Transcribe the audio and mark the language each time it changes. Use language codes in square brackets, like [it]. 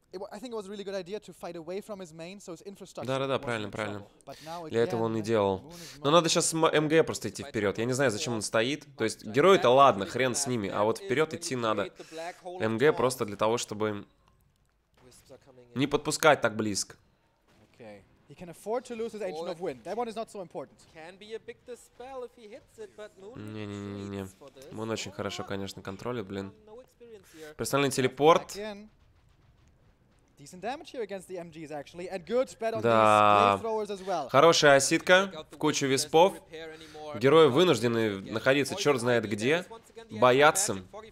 [en] I think it was a really good idea to fight away from his main, so his infrastructure. [ru] Да, правильно. Для этого он и делал. Но надо сейчас МГ просто идти вперед. Я не знаю, зачем он стоит. То есть герои-то ладно, хрен с ними, а вот вперед идти надо. МГ просто для того, чтобы не подпускать так близко. [en] can afford to lose his Ancient of Wind. That one is not so important. Can be a big dispel if he hits it, but [ru] Не-не-не-не. Мун очень хорошо, конечно, контролит, блин. Персональный телепорт. [en] Decent damage here against the MGs, actually, and good spread on [ru] да. [en] These throwers as well. [ru] Хорошая осидка, в кучу виспов. Герои вынуждены находиться черт знает где, бояться.